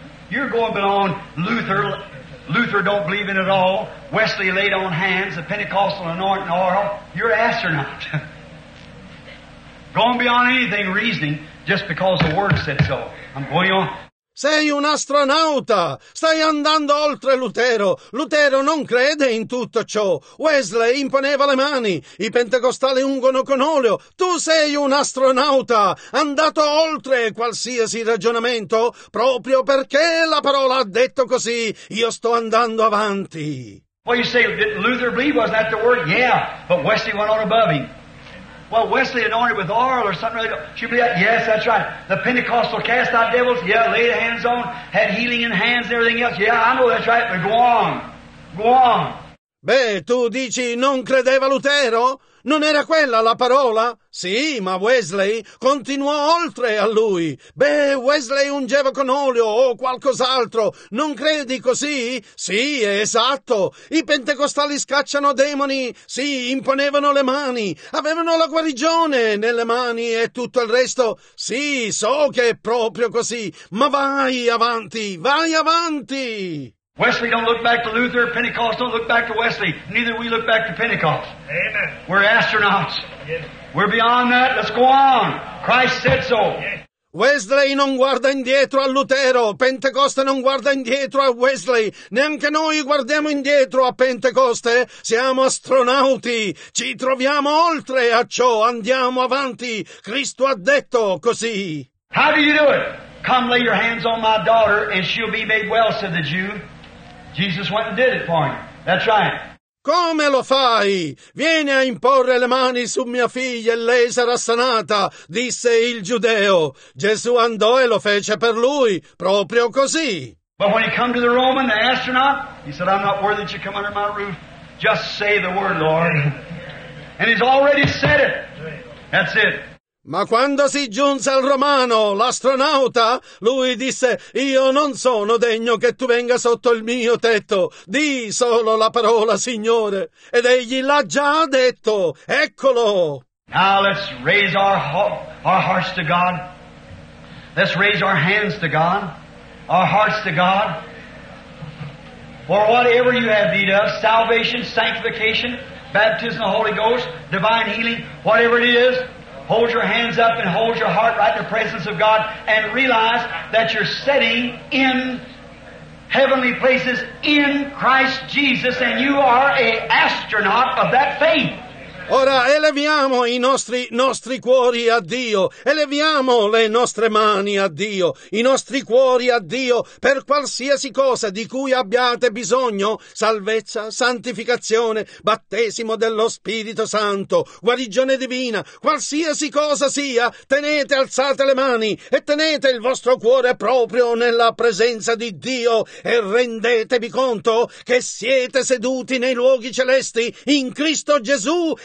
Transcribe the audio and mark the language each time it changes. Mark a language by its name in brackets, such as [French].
[English] You're going beyond Luther. Luther don't believe in it at all. Wesley laid on hands, the Pentecostal anointing oil. You're an astronaut. Going beyond anything reasoning just because the Word said so. I'm going on. [Italian] Sei un astronauta. Stai andando oltre Lutero. Lutero non crede in tutto ciò. Wesley imponeva le mani. I pentecostali ungono con olio. Tu sei un astronauta. Andato oltre qualsiasi ragionamento. Proprio perché la parola ha detto così, io sto andando avanti. [English] Well, you say, did Luther believe? Wasn't that the word? Yeah, but Wesley went on above him. Well, Wesley anointed with oil or something like that. Should be that? Yes, that's right. The Pentecostal cast out devils? Yeah, laid hands on, had healing in hands and everything else. Yeah, I know that's right, but go on. Go on. [Italian] Beh, tu dici non credeva Lutero? Non era quella la parola? Sì, ma Wesley continuò oltre a lui. Beh, Wesley ungeva con olio o qualcos'altro. Non credi così? Sì, è esatto. I pentecostali scacciano demoni. Sì, imponevano le mani. Avevano la guarigione nelle mani e tutto il resto. Sì, so che è proprio così. Ma vai avanti, vai avanti! [English] Wesley don't look back to Luther, Pentecost don't look back to Wesley, neither we look back to Pentecost. Amen. We're astronauts. Yes. We're beyond that, let's go on. Christ said so. Yes. [Italian] Wesley non guarda indietro a Lutero, Pentecoste non guarda indietro a Wesley, neanche noi guardiamo indietro a Pentecoste, siamo astronauti, ci troviamo oltre a ciò, andiamo avanti, Cristo ha detto così. [English] How do you do it? Come lay your hands on my daughter and she'll be made well, said the Jew. Jesus went and did it for him. That's right. [Italian] Come lo fai? Vieni a imporre le mani su mia figlia e lei sarà sanata, disse il giudeo. Gesù andò e lo fece per lui, proprio così. [English] But when he come to the Roman, the astronaut, he said, I'm not worthy that you come under my roof. Just say the word, Lord. And he's already said it. That's it. [Italian] Ma quando si giunse al romano, l'astronauta, lui disse: «Io non sono degno che tu venga sotto il mio tetto. Di solo la parola, Signore». Ed egli l'ha già detto. Eccolo! [English] Now let's raise our hearts to God. Let's raise our hands to God. Our hearts to God. For whatever you have need of, salvation, sanctification, baptism of the Holy Ghost, divine healing, whatever it is, hold your hands up and hold your heart right in the presence of God and realize that you're sitting in heavenly places in Christ Jesus and you are an astronaut of that faith. [Italian] Ora eleviamo i nostri cuori a Dio, eleviamo le nostre mani a Dio, i nostri cuori a Dio per qualsiasi cosa di cui abbiate bisogno: salvezza, santificazione, battesimo dello Spirito Santo, guarigione divina, qualsiasi cosa sia, tenete alzate le mani e tenete il vostro cuore proprio nella presenza di Dio e rendetevi conto che siete seduti nei luoghi celesti in Cristo Gesù.